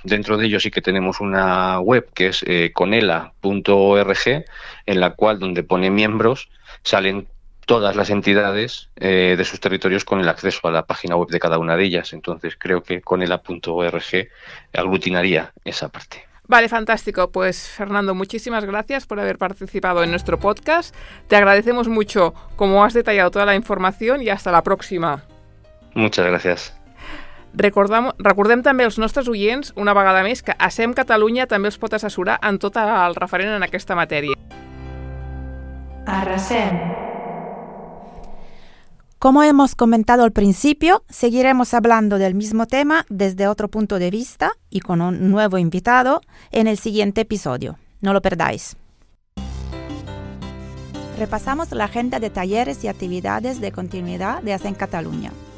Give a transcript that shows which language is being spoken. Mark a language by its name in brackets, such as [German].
[Spanish] Dentro de ello sí que tenemos una web que es conela.org, en la cual, donde pone miembros, salen todas las entidades de sus territorios con el acceso a la página web de cada una de ellas. Entonces, creo que con el .org aglutinaría esa parte. Vale, fantástico. Pues Fernando, muchísimas gracias por haber participado en nuestro podcast. Te agradecemos mucho cómo has detallado toda la información y hasta la próxima. Muchas gracias. [Catalan] Recordem també als nostres oients, una vegada més, que ASEM Catalunya també els pot assessorar en tot el referent en aquesta matèria. ARRASEM. [Spanish] Como hemos comentado al principio, seguiremos hablando del mismo tema desde otro punto de vista y con un nuevo invitado en el siguiente episodio. No lo perdáis. Repasamos la agenda de talleres y actividades de continuidad de ASEM Cataluña.